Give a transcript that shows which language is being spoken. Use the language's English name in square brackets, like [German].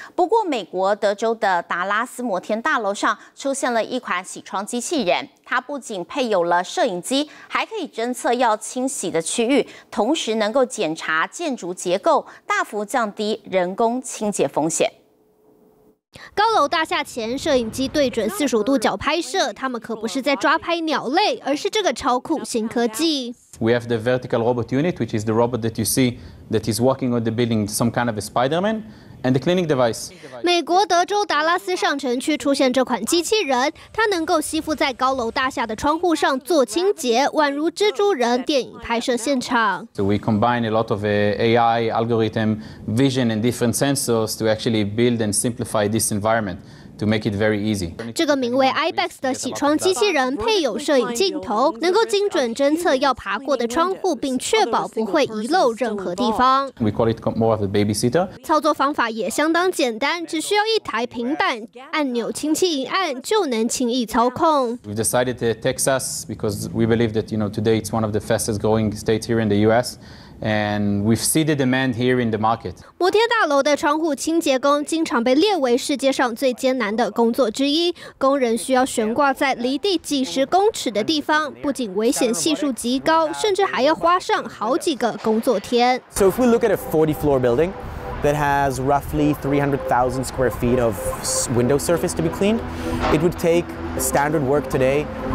[Chinese] 不过，美国德州的达拉斯摩天大楼上出现了一款洗窗机器人，它不仅配有了摄影机，还可以侦测要清洗的区域，同时能够检查建筑结构，大幅降低人工清洁风险。高楼大厦前，摄影机对准45度角拍摄。他们可不是在抓拍鸟类，而是这个超酷新科技。 [English] We have the vertical robot unit, which is the robot that you see that is walking on the building, some kind of a Spider-Man. And the cleaning device. [Chinese] 美国德州达拉斯上城区出现这款机器人，它能够吸附在高楼大厦的窗户上做清洁，宛如蜘蛛人电影拍摄现场。 [English] So we combine a lot of AI algorithm, vision, and different sensors to actually build and simplify this environment. To make it very easy. [Chinese] 这个名为 IBEX 的洗窗机器人配有摄影镜头，能够精准侦测要爬过的窗户，并确保不会遗漏任何地方。 [English] We call it more of a babysitter. [Chinese] 操作方法也相当简单，只需要一台平板，按钮轻轻一按就能轻易操控。 [English] We've decided to Texas because we believe that you know today it's one of the fastest growing states here in the U.S. And we've seen the demand here in the market. [Chinese] 摩天大楼的窗户清洁工经常被列为世界上最艰难的工作之一。工人需要悬挂在离地几十公尺的地方，不仅危险系数极高，甚至还要花上好几个工作天。 [English] So if we look at a 40-floor building that has roughly 300,000 square feet of window surface to be cleaned, it would take standard work today.